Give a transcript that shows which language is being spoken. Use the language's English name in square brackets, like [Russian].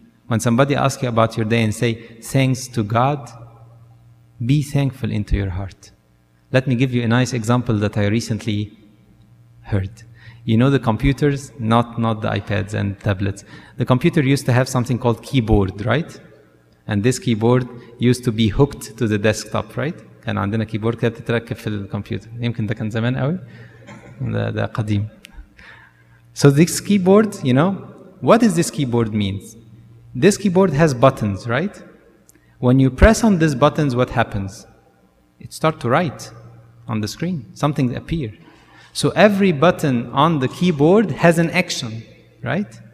[English] When somebody asks you about your day and say, "Thanks to God," be thankful into your heart. Let me give you a nice example that I recently heard. You know the computers, not the iPads and tablets. The computer used to have something called keyboard, right? And this keyboard used to be hooked to the desktop, right? [Arabic] كان عندنا keyboard كده تتركب في الكمبيوتر. يمكن ده كان زمان قوي. ده قديم. [English] So this keyboard, you know, what does this keyboard mean? This keyboard has buttons, right? When you press on these buttons, what happens? It starts to write on the screen. Something appears. So every button on the keyboard has an action, right?